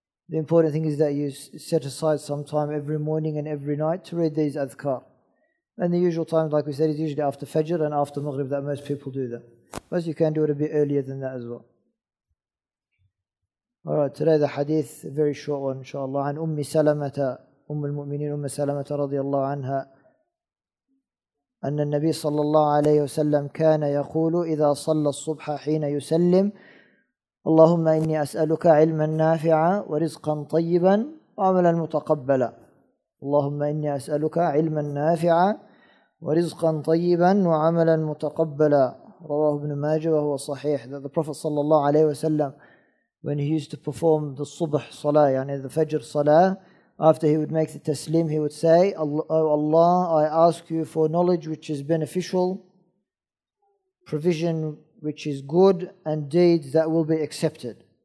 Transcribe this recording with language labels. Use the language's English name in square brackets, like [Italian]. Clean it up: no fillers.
[English] The important thing is that you set aside some time every morning and every night to read these adhkar. And the usual times, like we said, is usually after Fajr and after Maghrib that most people do that. But you can do it a bit earlier than that as well. Alright, today the hadith, a very short one inshaAllah, and Ummi Salamata. [Arabic] أم المؤمنين أم سلمة رضي الله عنها أن النبي صلى الله عليه وسلم كان يقول إذا صلى الصبح حين يسلم اللهم إني أسألك علما نافعا ورزقا طيبا وعملا متقبلا اللهم إني أسألك علما نافعا ورزقا طيبا وعملا متقبلا رواه ابن ماجه وهو صحيح. [English] That the Prophet [Arabic] صلى الله عليه وسلم, [English] when he used to perform the [Arabic] صبح صلاة, يعني [English] the Fajr صلاة, after he would make the taslim, he would say, "Oh Allah, I ask you for knowledge which is beneficial, provision which is good, and deeds that will be accepted."